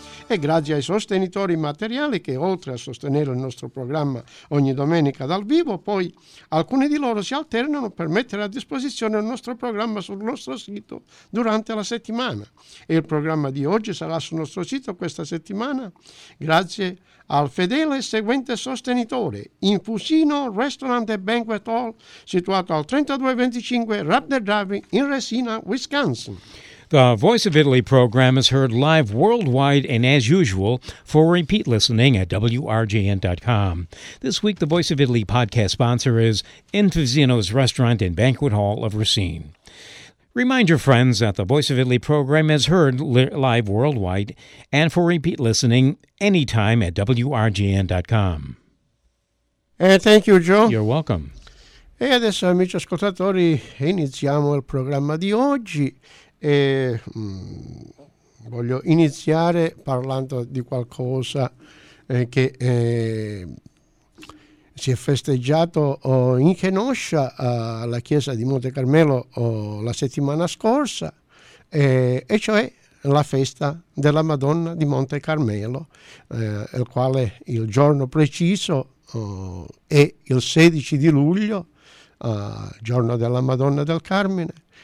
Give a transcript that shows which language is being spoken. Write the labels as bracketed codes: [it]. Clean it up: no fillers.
[it] E grazie ai sostenitori materiali che, oltre a sostenere il nostro programma ogni domenica dal vivo, poi alcuni di loro si alternano per mettere a disposizione il nostro programma sul nostro sito durante la settimana. E il programma di oggi sarà sul nostro sito questa settimana grazie al fedele seguente sostenitore: Infusino Restaurant and Banquet Hall, situato al 3225 Rapid Drive in Resina, Wisconsin. [en] The Voice of Italy program is heard live worldwide and as usual for repeat listening at WRJN.com. This week, the Voice of Italy podcast sponsor is Infusino's Restaurant and Banquet Hall of Racine. Remind your friends that the Voice of Italy program is heard live worldwide and for repeat listening anytime at WRJN.com. Thank you, Joe. You're welcome. [it] E adesso, amici ascoltatori, iniziamo il programma di oggi. E voglio iniziare parlando di qualcosa che si è festeggiato in Kenosha, alla chiesa di Monte Carmelo, la settimana scorsa, e cioè la festa della Madonna di Monte Carmelo, il quale il giorno preciso è il 16 di luglio, giorno della Madonna del Carmine.